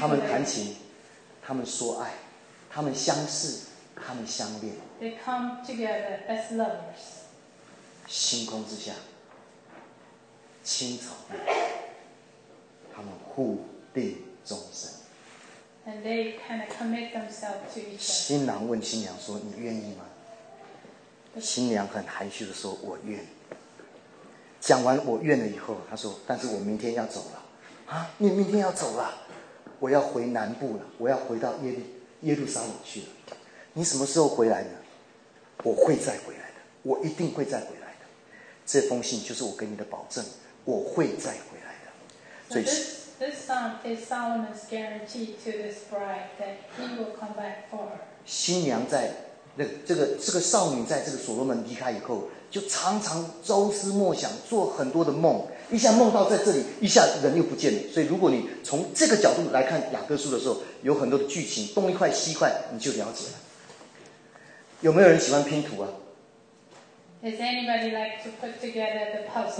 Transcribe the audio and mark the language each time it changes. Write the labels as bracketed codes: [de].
[zh] 他们弹琴，他们说爱，他们相视，他们相恋。 [en] They come together as lovers. [zh] 星空之下，青草绿，他们互定终身。 [en] And they kind of commit themselves to each other. [zh] 新郎问新娘说：“你愿意吗？” 新娘很含蓄的说：“我愿。” 讲完“我愿”了以后，她说：“但是我明天要走了。”啊，你明天要走了？我要回南部了，我要回到耶路撒冷去了。你什么时候回来呢？我会再回来的，我一定会再回来的。这封信就是我给你的保证，我会再回来的。所以。 [en] This song is Solomon's guarantee to this bride that he will come back for. [zh] 新娘在那这个少女在这个所罗门离开以后，就常常朝思暮想，做很多的梦，一下梦到在这里，一下人又不见了。所以，如果你从这个角度来看雅各书的时候，有很多的剧情，东一块西一块，你就了解了。有没有人喜欢拼图啊 [en] ？Is anybody like to put together the puzzle?